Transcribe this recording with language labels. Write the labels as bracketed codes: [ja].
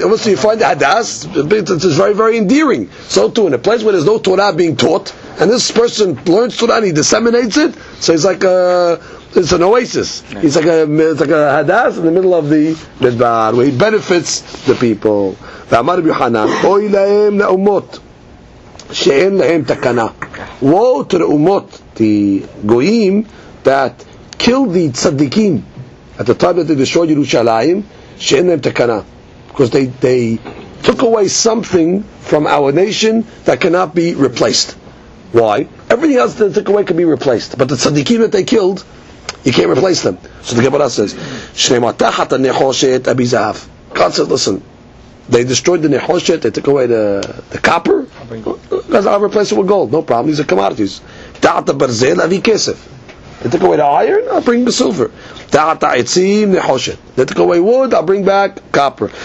[en] So you find the hadas, it's very, very endearing. So too, in a place where there's no Torah being taught, and this person learns Torah and he disseminates it, so it's like it's an oasis. It's like a hadas in the middle of the midbar, where he benefits the people. [he] ואמר רבי יוחנן, אוי להם לאומות שאין להם תקנה. [en] Woe to the umot, the goyim, that killed the tzaddikim at the time that they destroyed Yerushalayim, [he] שאין להם תקנה. [en] Because they took away something from our nation that cannot be replaced. Why? Everything else that they took away can be replaced. But the tzaddikim that they killed, you can't replace them. So the Gemara says, [he] שנימא תחת הנחושת אבי זהב. [en] God says, listen, they destroyed the Nehoshet, they took away the copper, because I'll replace it with gold, no problem, these are commodities. [he] Ta'ata barzel avi kesef. [en] They took away the iron, I'll bring the silver. [he] Ta'ata etzim Nehoshet. [en] They took away wood, I'll bring back copper.